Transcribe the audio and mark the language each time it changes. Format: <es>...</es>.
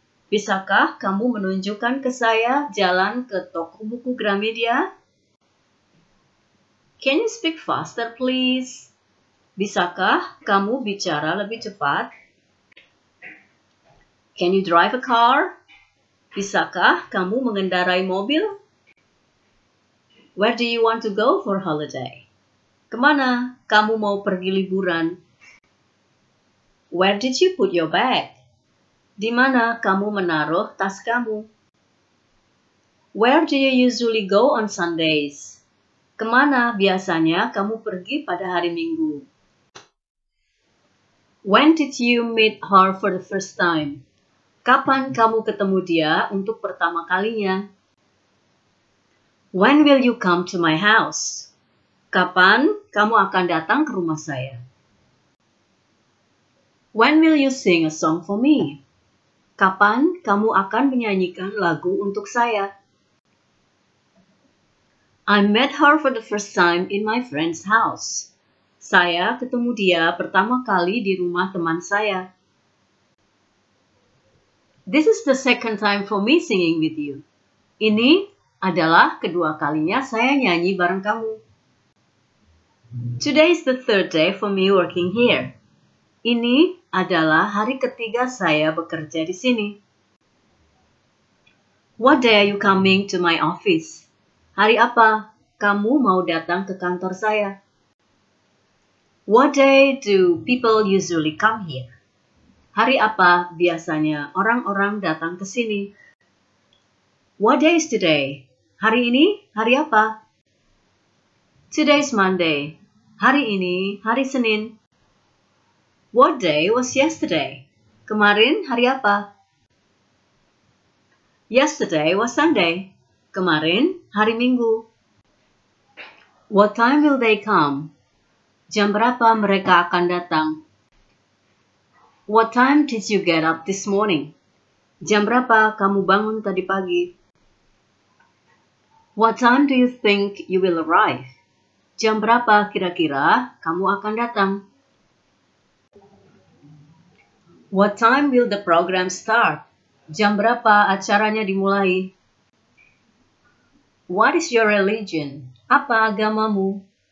<id>Bisakah kamu menunjukkan ke saya jalan ke toko buku Gramedia?</id> <en>Can you speak faster, please?</en> <id>Bisakah kamu bicara lebih cepat?</id> <en>Can you drive a car?</en> <id>Bisakah kamu mengendarai mobil?</id> <en>Where do you want to go for holiday?</en> <id>Kemana kamu mau pergi liburan?</id> <en>Where did you put your bag?</en> <id>Di mana kamu menaruh tas kamu?</id> <en>Where do you usually go on Sundays?</en> <id>Kemana biasanya kamu pergi pada hari Minggu?</id> <en>When did you meet her for the first time?</en> <id>Kapan kamu ketemu dia untuk pertama kalinya?</id> <en>When will you come to my house?</en> <id>Kapan kamu akan datang ke rumah saya?</id> <en>When will you sing a song for me?</en> <id>Kapan kamu akan menyanyikan lagu untuk saya?</id> <en>I met her for the first time in my friend's house.</en> <id>Saya ketemu dia pertama kali di rumah teman saya.</id> <en>This is the second time for me singing with you.</en> <id>Ini adalah kedua kalinya saya nyanyi bareng kamu.</id> <en>Today is the third day for me working here.</en> <id>Ini adalah hari ketiga saya bekerja di sini.</id> <en>What day are you coming to my office?</en> <id>Hari apa kamu mau datang ke kantor saya?</id> <en>What day do people usually come here?</en> <id>Hari apa biasanya orang-orang datang ke sini?</id> <en>What day is today?</en> <id>Hari ini hari apa?</id> <en>Today is Monday.</en> <id>Hari ini hari Senin.</id> <en>What day was yesterday?</en> <id>Kemarin hari apa?</id> <en>Yesterday was Sunday.</en> <id>Kemarin hari Minggu.</id> <en>What time will they come?</en> <id>Jam berapa mereka akan datang?</id> <en>What time did you get up this morning?</en> <id>Jam berapa kamu bangun tadi pagi?</id> <en>What time do you think you will arrive?</en> <id>Jam berapa kira-kira kamu akan datang?</id> <en>What time will the program start?</en> <id>Jam berapa acaranya dimulai?</id> <en>What is your religion?</en> <id>Apa agamamu?</id>